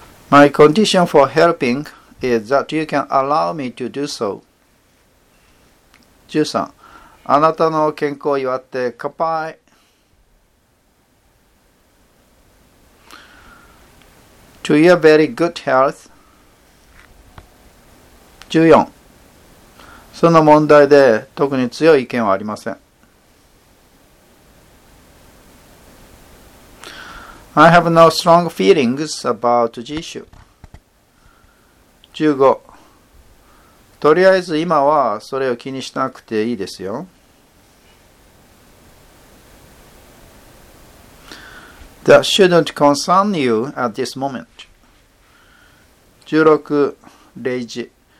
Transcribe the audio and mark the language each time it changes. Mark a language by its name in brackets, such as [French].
[English] My condition for helping is that you can allow me to do so. 13. [Japanese] あなたの健康を祝って乾杯。 [English] To your very good health. 14. [Japanese] その問題で特に強い意見はありません。 [English] I have no strong feelings about the issue. 15. [Japanese] とりあえず今はそれを気にしなくていいですよ。 [English] That shouldn't concern you at this moment. 16. [Japanese] 例示。